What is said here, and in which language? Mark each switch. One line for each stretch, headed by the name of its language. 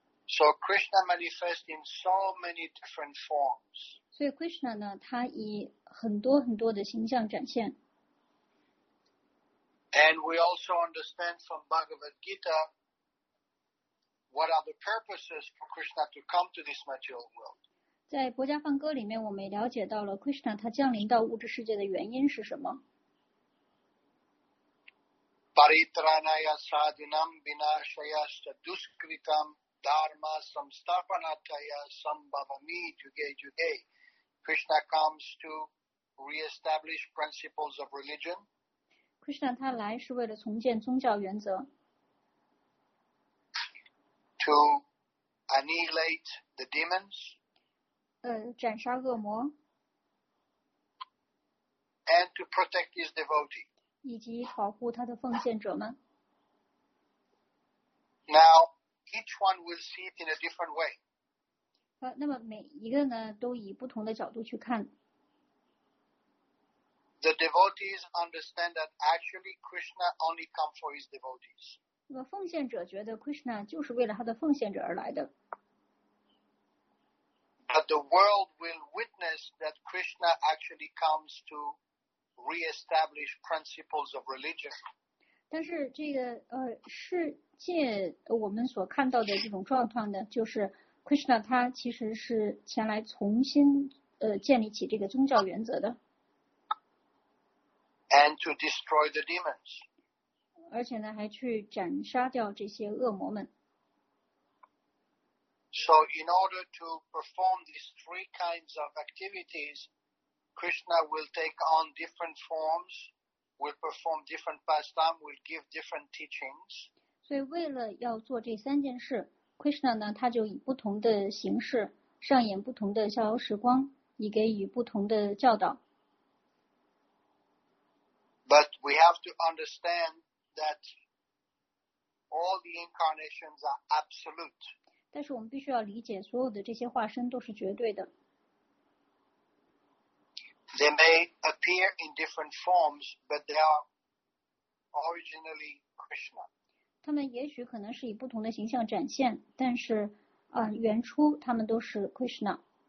English: So Krishna manifests in so many different forms.
Chinese: 所以 Krishna 呢他以很多很多的形象展现。
English: And we also understand from Bhagavad Gita what are the purposes for Krishna to come to this material world.
Chinese: 在《薄伽梵歌》里面我们也了解到了 Krishna 他降临到物质世界的原因是什么。
Sanskrit: Paritranaya sadhinam vinashayasya duskritam dharma samstapanataya sambhavami juge juge.
English: Krishna comes to reestablish principles of religion.
Chinese: Krishna 他来是为了重建宗教原则
English: ，to annihilate the demons，
Chinese: 斩杀恶魔
English: ，and to protect his devotee，
Chinese: 以及保护他的奉献者们。
English: Now each one will see it in a different way。
Chinese: 那么每一个呢，都以不同的角度去看。
English: The devotees understand that actually Krishna only comes for his devotees.
Chinese: 那么奉献者觉得 Krishna 就是为了他的奉献者而来的。
English: But the world will witness that Krishna actually comes to reestablish principles of religion.
Chinese: 但是这个世界我们所看到的这种状况呢，就是 Krishna 他其实是前来重新建立起这个宗教原则的。
English: And to destroy the demons.
Chinese: 而且呢，还去斩杀掉这些恶魔们。
English: So in order to perform these three kinds of activities, Krishna will take on different forms, will perform different pastimes, will give different teachings.
Chinese: 所以为了要做这三件事 ，Krishna 呢，他就以不同的形式上演不同的逍遥时光，以给予不同的教导。
English: But we have to understand that all the incarnations are absolute.
Chinese: 但是我们必须要理解，所有的这些化身都是绝对的。
English: They may appear in different forms, but they are originally Krishna.
Chinese: 他们也许可能是以不同的形象展现，但是原初他们都是 Krishna.